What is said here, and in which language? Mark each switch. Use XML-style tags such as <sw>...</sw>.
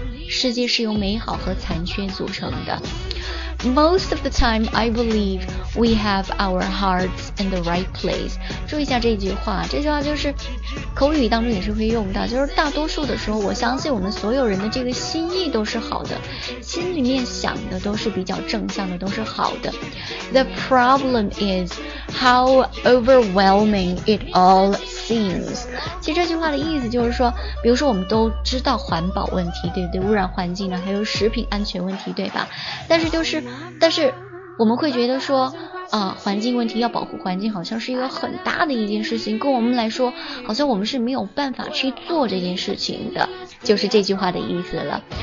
<zh>世界是由美好和残缺组成的。</zh> <en>Most of the time, I believe we have our hearts in the right place.</en> <zh>注意一下这句话，这句话就是口语当中也是会用到，就是大多数的时候，我相信我们所有人的这个心意都是好的，心里面想的都是比较正向的，都是好的。</zh> <en>The problem is how overwhelming it all seems.</en> <zh>其实这句话的意思就是说，比如说我们都知道环保问题，对不对？污染环境呢，还有食品安全问题，对吧？但是我们会觉得说环境问题，要保护环境好像是一个很大的一件事情，跟我们来说好像我们是没有办法去做这件事情的，就是这句话的意思了。</zh>